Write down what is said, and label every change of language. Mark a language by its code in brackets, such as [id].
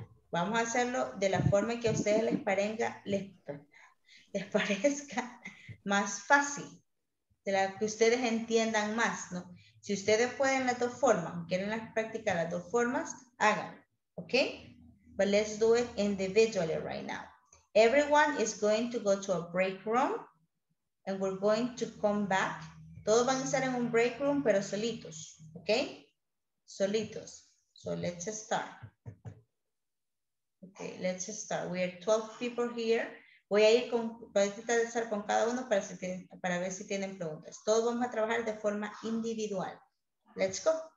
[es] Vamos a hacerlo de la forma en que a ustedes les parezca más fácil, de la que ustedes entiendan más, ¿no? Si ustedes pueden las dos formas, quieren las practicar las dos formas, háganlo, ¿ok? [en] But let's do it individually right now. Everyone is going to go to a break room and we're going to come back. [es] Todos van a estar en un break room, pero solitos, ¿ok? Solitos. [en] So let's start. Okay, let's start. We are 12 people here. [es] Voy a ir con, voy a tratar de estar con cada uno para, si tienen, para ver si tienen preguntas. Todos vamos a trabajar de forma individual. [en] Let's go.